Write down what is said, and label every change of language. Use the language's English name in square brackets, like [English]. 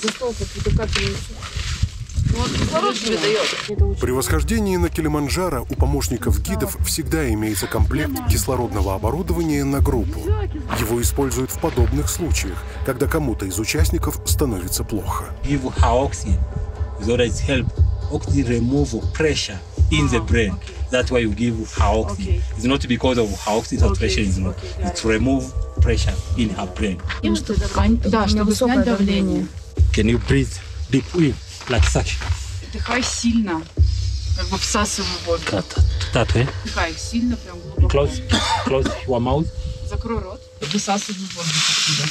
[Russian] Застал какую-то капельную сухую. Ну, вот кислород тебе дает. При восхождении на Килиманджаро у помощников гидов всегда имеется комплект кислородного оборудования на группу. Его используют в подобных случаях, когда кому-то из участников становится плохо. [English] Give oxygen, so that help oxygen remove pressure in the brain. That's why you give her oxygen. Okay. It's not because of her oxygen saturation, okay. Okay. It's remove pressure in her brain. [Russian] Да, чтобы снять давление. [English] Can you breathe deep in, like such? [Russian] Вдыхай сильно, как бы всасывай воздух. [English] That way. [Russian] Вдыхай сильно, прям глубоко. [English] Close your mouth. [Russian] Закрой рот. Высасывай воздух.